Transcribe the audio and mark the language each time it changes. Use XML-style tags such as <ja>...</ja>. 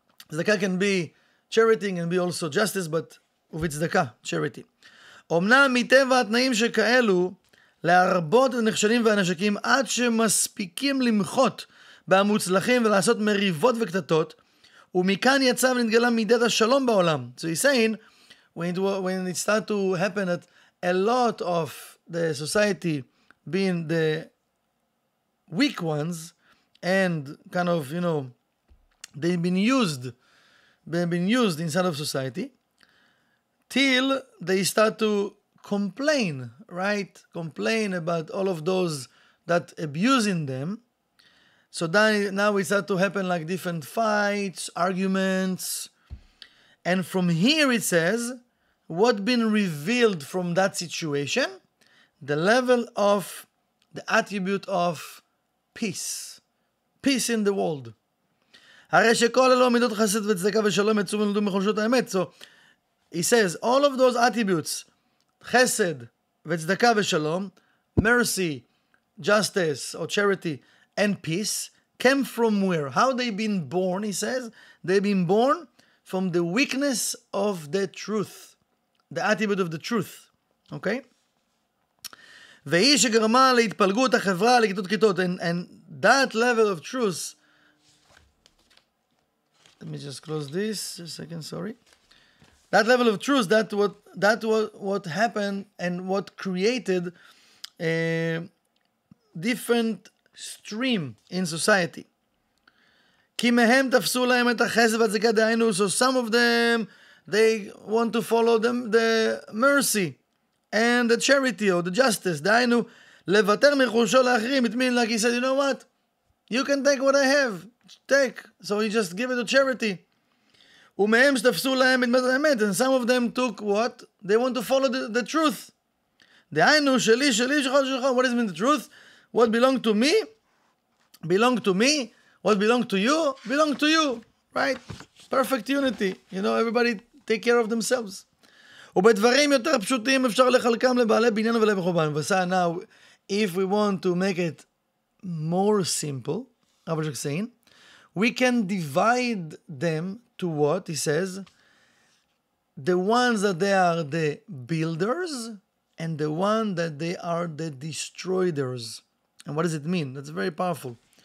<en>Zdakah can be charity and be also justice, but uvitzdakah, charity.</en> <he>אמנם מטבע התנאים שכאלו, להרבות את הנחשלים והנשקים עד שמספיקים למחות במוצלחים ולעשות מריבות וקטטות, ומכאן יצא ונתגלה מידת השלום בעולם.</he> <en>So he's saying, when it started to happen that a lot of the society being the weak ones and kind of, you know, they've been used inside of society till they start to complain, right? Complain about all of those that abusing them. So then, now it started to happen like different fights, arguments. And from here it says, what been revealed from that situation? The level of the attribute of peace. Peace in the world.</en> <he>הרי שכל אלו מידות חסד וצדקה ושלום יצאו ונולדו מחושות האמת.</he> <en>So he says, all of those attributes,</en> <he>חסד וצדקה ושלום,</he> <en>mercy, justice or charity, and peace, came from where? How they been born, he says? They been born from the weakness of the truth. The attribute of the truth. Okay?</en> <he>והיא שגרמה להתפלגות החברה לכיתות כיתות.</he> <en>And that level of truth, let me just close this a second, sorry. That level of truth, that what happened and what created a different stream in society.</en> <he>כי מהם תפסו להם את החסד והצדקה דהיינו,</he> <en>so some of them, they want to follow them, the mercy and the charity or the justice.</en> <he>דהיינו, לוותר מרכושו לאחרים,</he> <en>it means like he said, you know what? You can take what I have. Take. So you just give it to charity.</en> <he>ומהם שתפסו להם את האמת.</he> <en>And some of them took what? They want to follow the truth.</en> <he>דהיינו, שלי, שלי, שלך, שלך.</he> <en>What is the truth? What belong to me? Belong to me. What belong to you? Belong to you. Right? Perfect unity. You know, everybody take care of themselves.</en> <he>ובדברים יותר פשוטים אפשר לחלקם לבעלי בניין ולבי חובן.</he> <en>וסה, now, if we want to make it more simple, I'm just saying, we can divide them to what, he says, the ones that they are the builders and the one that they are the destroyers. And what does it mean? That's very powerful.</en>